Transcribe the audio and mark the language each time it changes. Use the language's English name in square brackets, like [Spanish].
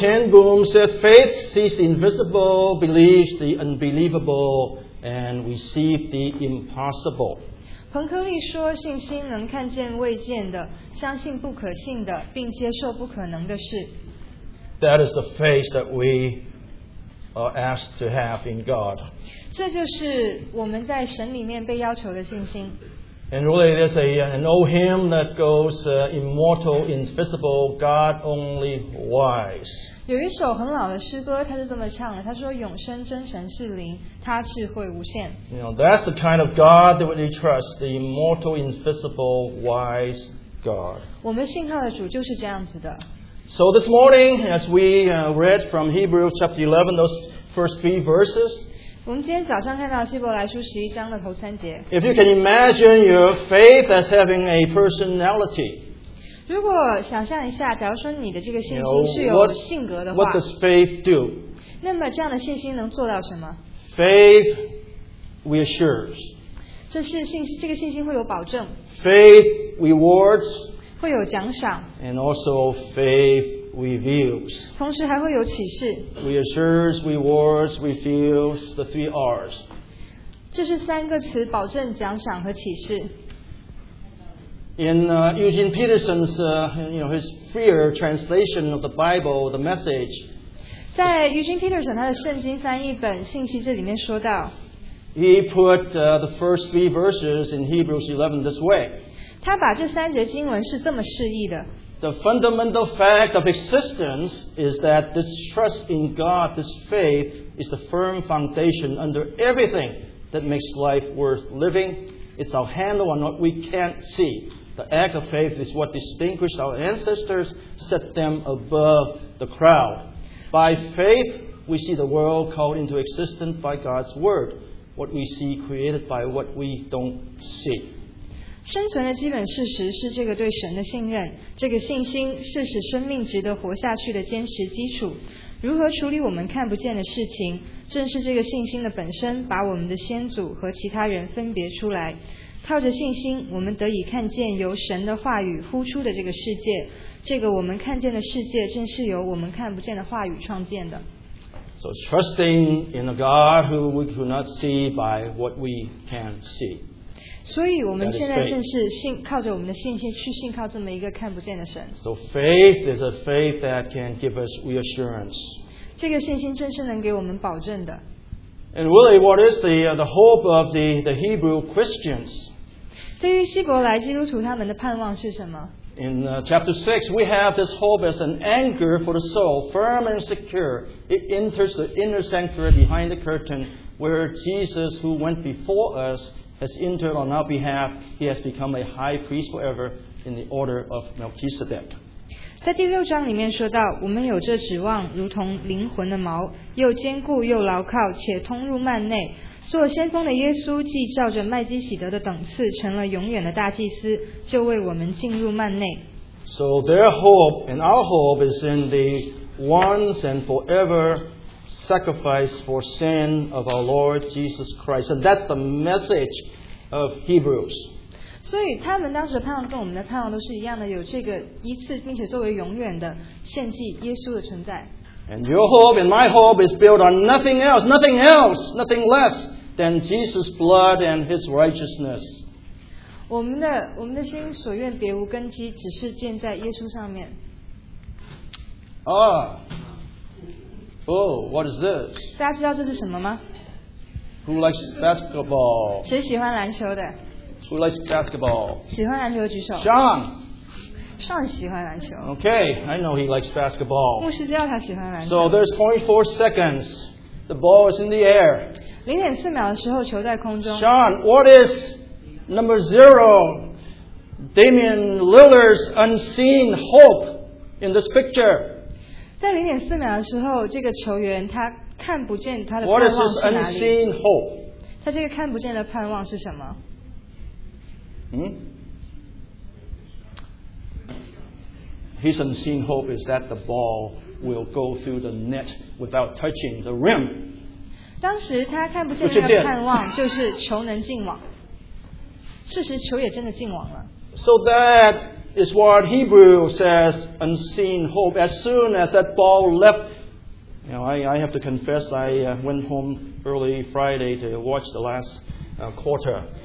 [English] Ten Boom said, faith sees the invisible, believes the unbelievable, and receives the impossible. [Chinese] 彭克利说,信心能看见未见的,相信不可信的,并接受不可能的事. [English] That is the faith that we are asked to have in God. [Chinese] 这就是我们在神里面被要求的信心. [English] And really, there's an old hymn that goes, immortal, invisible, God only wise. [Chinese] 有一首很老的诗歌,他是这么唱的,他说永生真神是灵,他智慧无限. [English] You know, that's the kind of God that we trust, the immortal, invisible, wise God. [Chinese] 我们信靠的主就是这样子的. [English] So this morning, as we read from Hebrews chapter 11, those first three verses, if you can imagine your faith as having a personality, [Chinese] 如果想象一下，假如说你的这个信心是有性格的话 [English] what does faith do? [Chinese] 那么这样的信心能做到什么？ [English] Faith reassures. [Chinese] 这是信心，这个信心会有保证。 [English] Faith rewards. [Chinese] 会有奖赏。 [English] And also faith reveals. [Chinese] 同时还会有启示。 [English] Reassures, rewards, reveals, the three R's. [Chinese] 这是三个词，保证、奖赏和启示。 [English] In Eugene Peterson's, you know, his freer translation of the Bible, the message. [Chinese] 在 Eugene Peterson 他的圣经翻译本信息这里面说到。 [English] He put the first three verses in Hebrews 11 this way. [Chinese] 他把这三节经文是这么释义的。 [English] The fundamental fact of existence is that this trust in God, this faith, is the firm foundation under everything that makes life worth living. It's our handle on what we can't see. The act of faith is what distinguished our ancestors, set them above the crowd. By faith, we see the world called into existence by God's word. What we see created by what we don't see. [Chinese] 生存的基本事实是这个对神的信任。这个信心是使生命值得活下去的坚实基础。如何处理我们看不见的事情，正是这个信心的本身，把我们的先祖和其他人分别出来。靠着信心，我们得以看见由神的话语呼出的这个世界。这个我们看见的世界，正是由我们看不见的话语创建的。 [English] So trusting in a God who we cannot see by what we can see. [Chinese] 所以我们现在正是信靠着我们的信心去信靠这么一个看不见的神。 [English] So faith is a faith that can give us reassurance. [Chinese] 这个信心正是能给我们保证的。 [English] And really, what is the hope of the Hebrew Christians? [Chinese] 对于希伯来基督徒他们的盼望是什么？ [English] In chapter 6, we have this hope as an anchor for the soul, firm and secure. It enters the inner sanctuary behind the curtain, where Jesus, who went before us, has entered on our behalf. He has become a high priest forever in the order of Melchizedek. [Chinese] 在第六章里面说到，我们有这指望，如同灵魂的锚，又坚固又牢靠，且通入幔内。做先锋的耶稣，既照着麦基洗德的等次，成了永远的大祭司，就为我们进入幔内。 [English] So their hope and our hope is in the once and forever sacrifice for sin of our Lord Jesus Christ, and that's the message of Hebrews. [Chinese] 所以他们当时的盼望跟我们的盼望都是一样的，有这个一次并且作为永远的献祭耶稣的存在。 [English] And your hope and my hope is built on nothing less than Jesus' blood and his righteousness. [Chinese] 我们的心所愿别无根基，只是建在耶稣上面。 [English] What is this? [Chinese] 大家知道这是什么吗？ [English] Who likes basketball? [Chinese] 谁喜欢篮球的？ [English] Who likes basketball? [Chinese] 喜欢篮球举手。 [English] Sean. [Chinese] Sean 喜欢篮球。 [English] Okay, I know he likes basketball. [Chinese] 牧师知道他喜欢篮球。 [English] So there's 0.4 seconds. The ball is in the air. [Chinese] 0.4 秒的时候球在空中。 [English] Sean, what is number zero? Damian Lillard's unseen hope in this picture. [Chinese] 在0.4秒的时候，这个球员他看不见他的盼望是哪里。 [English] What is his unseen hope? [Chinese] 他这个看不见的盼望是什么？ [English] His unseen hope is that the ball will go through the net without touching the rim. [Chinese] 当时他看不见那个盼望，就是球能进网。事实，球也真的进网了。 [English] So that is what Hebrew says, unseen hope. As soon as that ball left, you know, I have to confess, I went home early Friday to watch the last quarter.